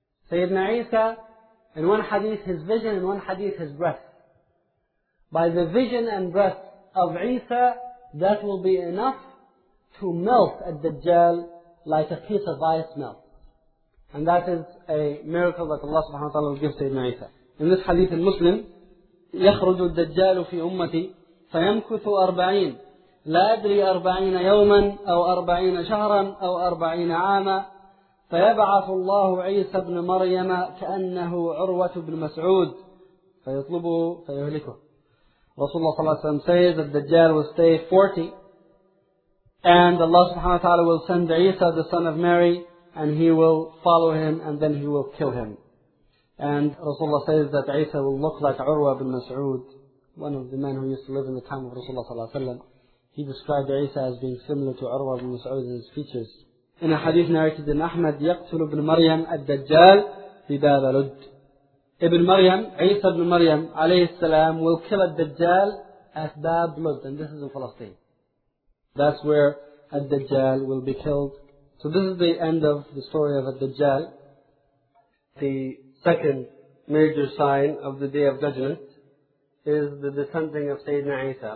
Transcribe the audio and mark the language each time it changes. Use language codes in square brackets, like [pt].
[en] Sayyidina Isa, in one hadith his vision, in one hadith his breath. By the vision and breath of Isa, that will be enough to melt Ad-Dajjal like a piece of ice melt. And that is a miracle that Allah subhanahu wa ta'ala will give Sayyidina Isa. In this hadith in Muslim, [ar] يَخْرُجُ الدَّجَّالُ فِي أُمَّتِي فَيَمْكُثُ أَرْبَعِينَ لَا أَدْرِي أَرْبَعِينَ يَوْمًا أَوْ أَرْبَعِينَ شَهْرًا أَوْ أَرْبَعِينَ عَامًا فَيَبْعَثُ اللَّهُ عِيسَى بْنُ مَرْيَمَ كَأَنَّهُ عُرْوَةُ بْنُ مَسْعُودٍ فَيَطْلُبُهُ فَيُهْلِكُهُ. [en] Rasulullah sallallahu alayhi wa sallam says that Dajjal will stay 40 and Allah subhanahu wa ta'ala will send Isa, the son of Mary, and he will follow him and then he will kill him. And Rasulullah says that Isa will look like Urwa ibn Mas'ud, one of the men who used to live in the time of Rasulullah sallallahu alayhi wa sallam. He described Isa as being similar to Urwa ibn Mas'ud in his features. In a hadith narrated in Ahmad, [ar] يقتل ابن مريم الدجال في دار لد. [en] Ibn Maryam, Isa ibn Maryam, alayhi salam, will kill Ad-Dajjal at Bab Lud, and this is in Palestine. That's where Ad-Dajjal will be killed. So this is the end of the story of Ad-Dajjal, the second major sign of the Day of Judgment, is the descending of Sayyidina Isa.